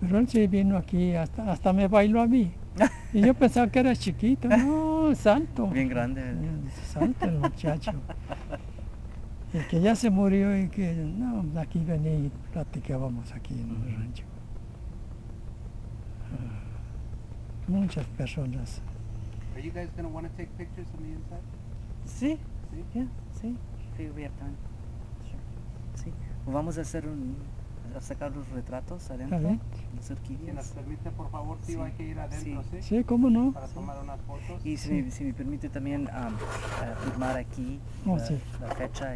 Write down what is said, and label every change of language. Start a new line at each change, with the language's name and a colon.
Spanish: Pero él sí vino aquí, hasta me bailó a mí. Y yo pensaba que era chiquito. No, santo. Bien grande. Santo el muchacho. Y que ya se murió y que, no, aquí venía y platicábamos aquí en el rancho. Muchas personas.
English: Are you guys going to want to take pictures on the inside?
Spanish: Sí. Sí.
English: Yeah,
Spanish: sí. Sí,
English: we have time.
Spanish: Sí. Vamos a hacer a sacar los retratos adentro. ¿Ale? Las orquídeas. Si nos permite, por favor, tío, sí. Hay que ir adentro, ¿sí? Sí, cómo no. Para tomar unas fotos. Y si me permite también firmar aquí la fecha.